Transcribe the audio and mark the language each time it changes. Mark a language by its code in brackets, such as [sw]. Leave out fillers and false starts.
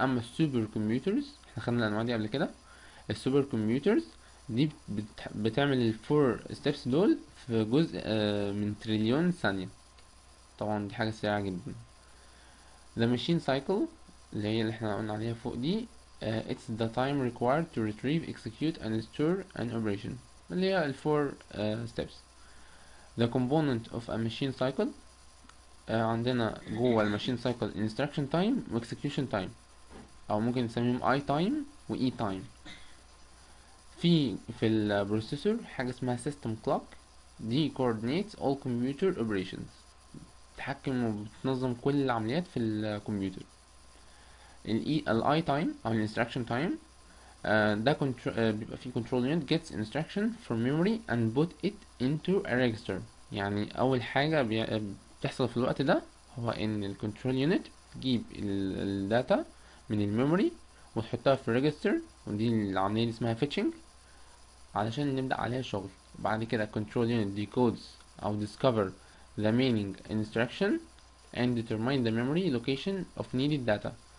[ar] اما ال super computers، احنا خدنا الانواع دي قبل كده، ال super computers دي بتعمل ال 4 steps دول في جزء من تريليون ثانية. طبعا دي حاجة سريعة جدا. [en] The machine cycle [ar] اللي هي اللي احنا قلنا عليها فوق دي [en] it's the time required to retrieve, execute and store an operation، اللي هي ال 4 steps. The component of a machine cycle، عندنا جوه ال machine cycle instruction time و execution time، [ar] او ممكن نسميهم [en] i time و e time. [ar] في ال processor حاجة اسمها system clock، دي [en] coordinates all computer operations، [ar] بتتحكم وبتنظم كل العمليات في الكمبيوتر. ال i time او ال instruction time ده بيبقى فيه [en] control unit gets instruction from memory and put it into a register. [ar] يعني اول حاجة بتحصل في الوقت ده هو ان ال control unit بتجيب ال data من ال memory وتحطها في ال register، ودي العملية اللي اسمها fetching علشان نبدأ عليها شغل. بعد كده [en] control unit decodes او discover the meaning instruction and determine the memory location of needed data.